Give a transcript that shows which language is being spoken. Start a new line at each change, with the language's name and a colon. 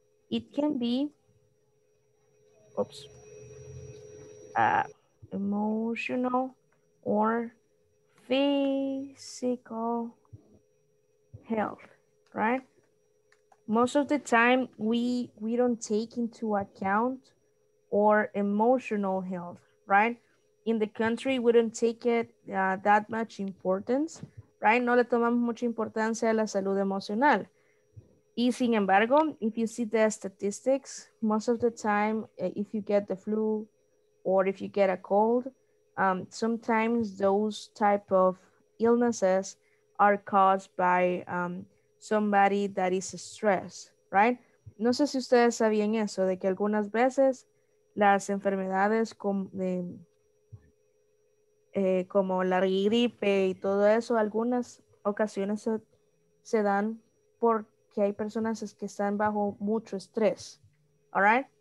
English: It can be emotional or physical health, right? Most of the time we don't take into account our emotional health, right? In the country, we don't take it that much importance, right?
Spanish: No le tomamos mucha importancia a la salud emocional. Y sin embargo,
English: if you see the statistics, most of the time, if you get the flu or if you get a cold, sometimes those type of illnesses are caused by somebody that is stressed, right?
Spanish: No sé si ustedes sabían eso, de que algunas veces las enfermedades como la gripe y todo eso, algunas ocasiones se dan porque hay personas que están bajo mucho estrés, all right?